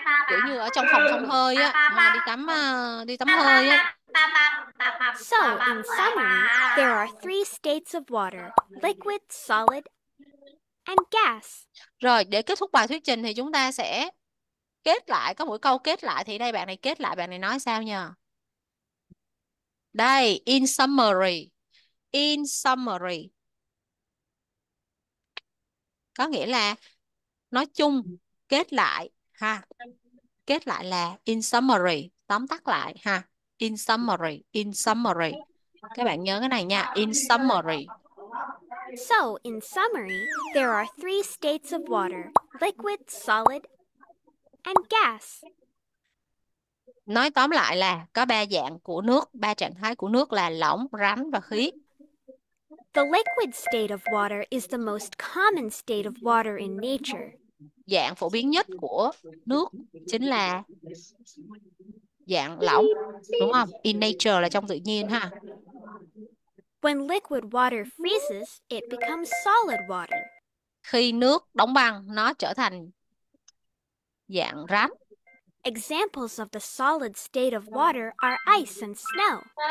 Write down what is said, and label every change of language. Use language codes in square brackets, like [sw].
[vi] Kiểu như ở trong phòng thông hơi á, mà đi tắm hơi á. [en] So, in summary, there are three states of water: liquid, solid, and gas. [vi] Rồi, để kết thúc bài thuyết trình thì chúng ta sẽ kết lại, có mỗi câu kết lại. Thì đây, bạn này kết lại, bạn này nói sao nhờ? [en] Đây, in summary. In summary. [vi] Có nghĩa là nói chung, kết lại, ha. Kết lại là in summary, tóm tắt lại, ha. [en] In summary, in summary. [vi] Các bạn nhớ cái này nha, in summary. [en] So, in summary, there are three states of water: liquid, solid, and gas. [vi] Nói tóm lại là có ba dạng của nước, ba trạng thái của nước là lỏng, rắn và khí. [en] The liquid state of water is the most common state of water in nature. [vi] Dạng phổ biến nhất của nước chính là dạng lỏng, đúng không? In nature là trong tự nhiên ha. [en] When liquid water freezes, it becomes solid water. [vi] Khi nước đóng băng, nó trở thành dạng rắn. [en] Examples of the solid state of water are ice and snow.